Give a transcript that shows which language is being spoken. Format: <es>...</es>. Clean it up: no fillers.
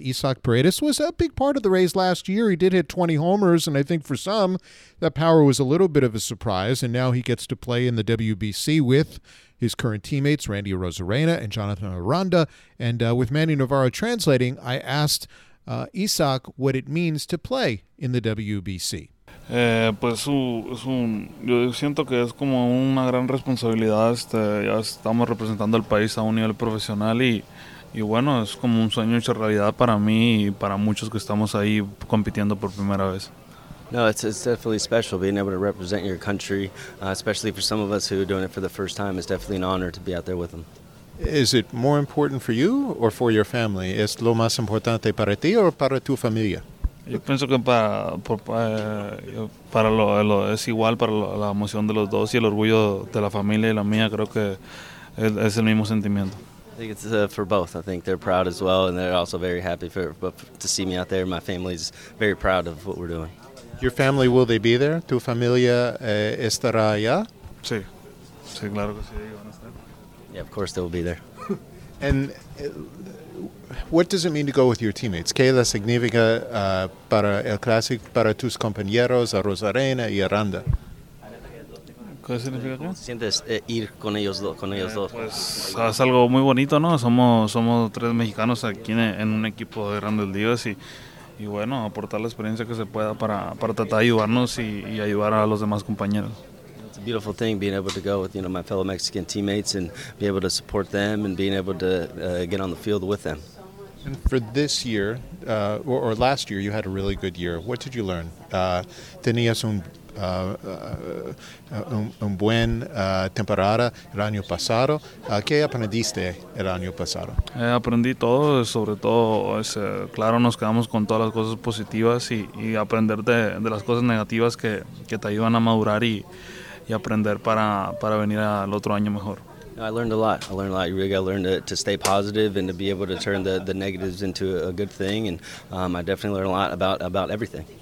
<en>Isak Paredes was a big part of the Rays last year. He did hit 20 homers, and I think for some, that power was a little bit of a surprise, and now he gets to play in the WBC with his current teammates, Randy Arozarena and Jonathan Aranda. And with Manny Navarro translating, I asked Isak what it means to play in the WBC.</en> <es>Yo siento que es como una gran responsabilidad. Ya estamos representando al país a un nivel profesional y bueno, es como un sueño hecho realidad para mí y para muchos que estamos ahí compitiendo por primera vez.</es> <en>No, it's definitely special being able to represent your country, especially for some of us who are doing it for the first time. It's definitely an honor to be out there with them. Is it more important for you or for your family?</en> <es>¿Es lo más importante para ti o para tu familia? Yo pienso que para lo es igual para la emoción de los dos y el orgullo de la familia y la mía, creo que es el mismo sentimiento.</es> <en>I think it's for both. I think they're proud as well, and they're also very happy to see me out there. My family's very proud of what we're doing. Your family, will they be there?</en> <es>Tu familia estará allá? Sí. Sí, claro que sí, van a estar.</es> <en>Yeah, of course they'll be there. And what does it mean to go with your teammates?</en> <es>¿Qué la significa para el Clásico, para tus compañeros, a Rosarena y Aranda? ¿Qué significa? ¿Cómo sientes ir con ellos dos? Pues es algo muy bonito, ¿no? Somos tres mexicanos aquí en un equipo de grandes ligas y bueno, aportar la experiencia que se pueda para tratar de ayudarnos y ayudar a los demás compañeros.</es> <en>It's a beautiful thing being able to go with, you know, my fellow Mexican teammates and be able to support them and being able to get on the field with them. And for this year, or last year, you had a really good year. What did you learn?</en> <es>Tenías un buen temporada el año pasado. ¿Qué aprendiste el año pasado? Aprendí todo, sobre todo, claro, nos quedamos con todas las cosas positivas y aprender de las cosas negativas que te ayudan a madurar y aprender para venir al otro año mejor.</es> <en>I learned a lot. I learned a lot. You really got to learn to stay positive and to be able to turn the negatives into a good thing. And I definitely learned a lot about everything.</en>